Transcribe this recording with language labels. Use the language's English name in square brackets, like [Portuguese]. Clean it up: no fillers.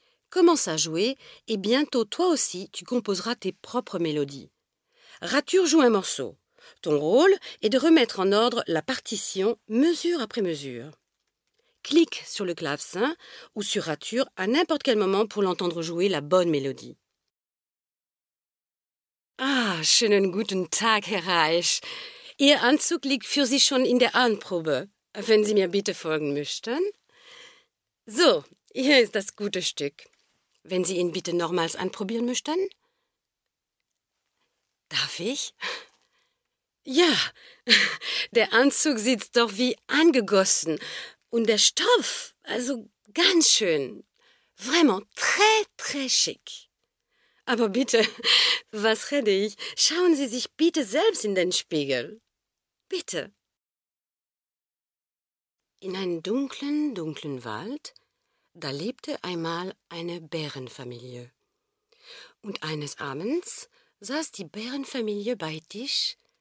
[French] Commence à jouer et bientôt toi aussi tu composeras tes propres mélodies. Rature joue un morceau. Ton rôle est de remettre en ordre la partition mesure après mesure. Clique sur le clavecin ou sur Rature à n'importe quel moment pour l'entendre jouer la bonne mélodie. [German] Ah, schönen guten Tag, Herr Reich. Ihr Anzug liegt für Sie schon in der Anprobe, wenn Sie mir bitte folgen möchten. So, hier ist das gute Stück. Wenn Sie ihn bitte nochmals anprobieren möchten. Darf ich? Ja, der Anzug sitzt doch wie angegossen. Und der Stoff, also ganz schön. [French] Vraiment très, très schick. [German] Aber bitte, was rede ich? Schauen Sie sich bitte selbst in den Spiegel. Bitte. In einem dunklen, dunklen Wald, da lebte einmal eine Bärenfamilie. Und eines Abends saß die Bärenfamilie bei Tisch.